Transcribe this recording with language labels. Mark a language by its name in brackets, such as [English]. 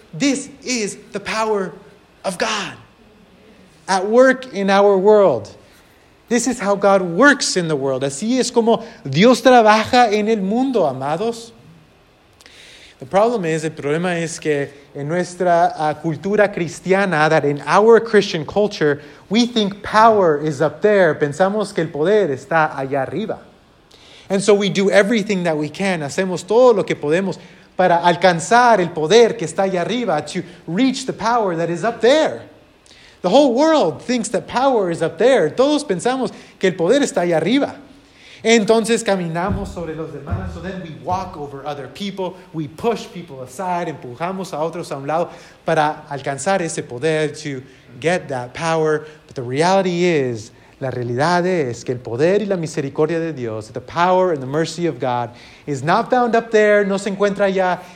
[English] This is the power of God at work in our world. This is how God works in the world. [Spanish] Así es como Dios trabaja en el mundo, amados. El problema es que en nuestra cultura cristiana, [English] that in our Christian culture, we think power is up there. [Spanish] Pensamos que el poder está allá arriba. [English] And so we do everything that we can. [Spanish] Hacemos todo lo que podemos para alcanzar el poder que está allá arriba, [English] to reach the power that is up there. The whole world thinks that power is up there. [Spanish] Todos pensamos que el poder está allá arriba. Entonces caminamos sobre los demás. [English] So then we walk over other people. We push people aside. [Spanish] Empujamos a otros a un lado para alcanzar ese poder, [English] to get that power. But the reality is, [Spanish] la realidad es que el poder y la misericordia de Dios, [English] the power and the mercy of God, is not found up there. [Spanish] No se encuentra allá.